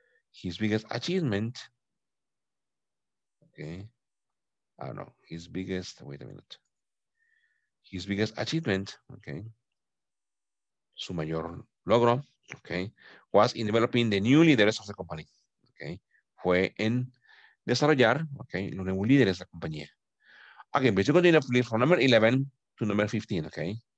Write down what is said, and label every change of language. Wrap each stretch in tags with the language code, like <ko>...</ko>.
<en>His biggest achievement. Okay. His biggest, wait a minute. His biggest achievement, okay.</en> <es>Su mayor logro.</es> <en>Okay, was in developing the new leaders of the company.</en> <es>Okay, fue en desarrollar, okay, los nuevos líderes de la compañía.</es> <en>Okay, but you continue, please, from number 11 to number 15, okay?</en>